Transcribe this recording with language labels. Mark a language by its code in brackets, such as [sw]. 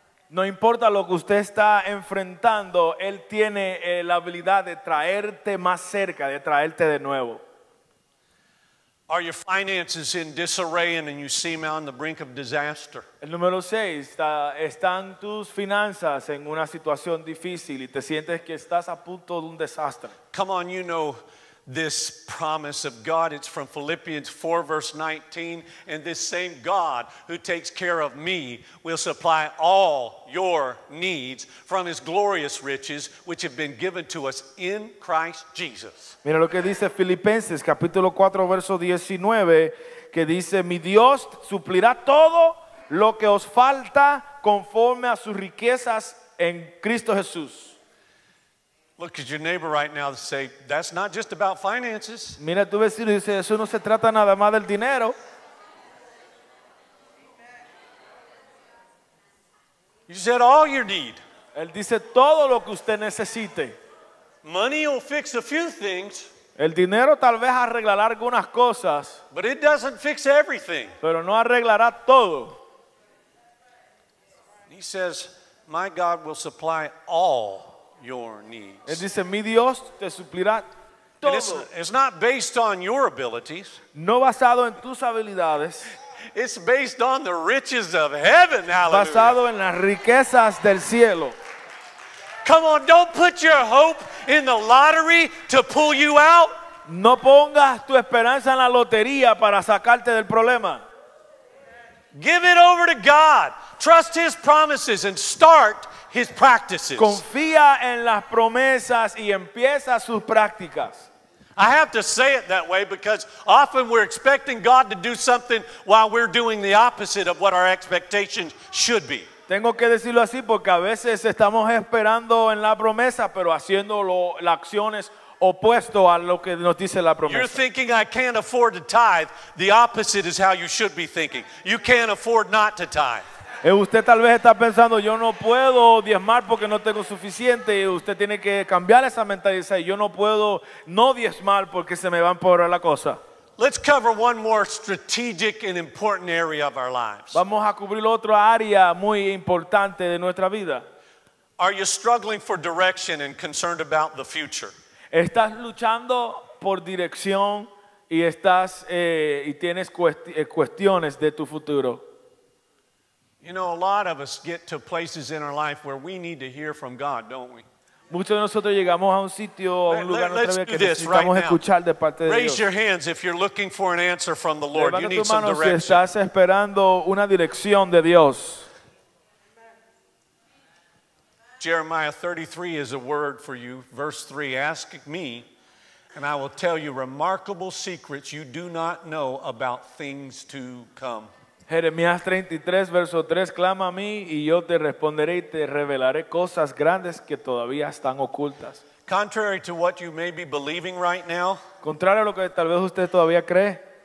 [es] No importa lo que usted está enfrentando, él tiene la habilidad de traerte más cerca, de traerte de nuevo. [en] Are your finances in disarray and you seem on the brink of disaster? [es] El número 6, están tus finanzas en una situación difícil y te sientes que estás a punto de un desastre. [en] Come on, you know this promise of God. It's from Philippians 4, verse 19. And this same God who takes care of me will supply all your needs from his glorious riches, which have been given to us in Christ Jesus. [es] Mira lo que dice Filipenses, capítulo 4, verso 19, que dice, mi Dios suplirá todo lo que os falta conforme a sus riquezas en Cristo Jesús. [en] Look at your neighbor right now and say, that's not just about finances. [es] Mira tu vecino y dice, eso no se trata nada más del dinero. [en] You said all you need. [es] Él dice todo lo que usted necesite. [en] Money will fix a few things. [es] El dinero tal vez arreglará algunas cosas. [en] But it doesn't fix everything. [es] Pero no arreglará todo. [en] He says, my God will supply all your needs. [es] Él dice, mi Dios te suplirá todo. [en] It's not based on your abilities. [es] No basado en tus habilidades. [en] It's based on the riches of heaven. Hallelujah. [es] Basado en las riquezas del cielo. [en] Come on, don't put your hope in the lottery to pull you out. [es] No pongas tu esperanza en la lotería para sacarte del problema. [en] Give it over to God. Trust his promises and start his practices. [es] Confía en las promesas y empieza sus prácticas. [en] I have to say it that way because often we're expecting God to do something while we're doing the opposite of what our expectations should be. [es] Tengo que decirlo así porque a veces estamos esperando en la promesa pero haciendo las acciones opuesto a lo que nos dice la promesa. [en] You're thinking I can't afford to tithe. The opposite is how you should be thinking. You can't afford not to tithe. [es] Usted tal vez está pensando, yo no puedo diezmar porque no tengo suficiente. Usted tiene que cambiar esa mentalidad. Yo no puedo no diezmar porque se me va a empeorar la cosa. [en] Let's cover one more strategic and important area of our lives. [es] Vamos a cubrir otra área muy importante de nuestra vida. [en] Are you struggling for direction and concerned about the future? [es] ¿Estás luchando por dirección y estás y tienes cuestiones de tu futuro? [en] You know, a lot of us get to places in our life where we need to hear from God, don't we? [es] Muchos de nosotros llegamos a un sitio, a un lugar en nuestra vida que necesitamos escuchar de parte de Dios. [en] Raise your hands if you're looking for an answer from the Lord. You need some direction. [es] Levanta tu mano si estás esperando una dirección de Dios. [en] Jeremiah 33 is a word for you. Verse 3, ask me and I will tell you remarkable secrets you do not know about things to come. [es] Jeremías 33, verso 3, clama a mí y yo te responderé y te revelaré cosas grandes que todavía están ocultas. [en] Contrary to what you may be believing right now, [es] contrario a lo que tal vez usted todavía cree,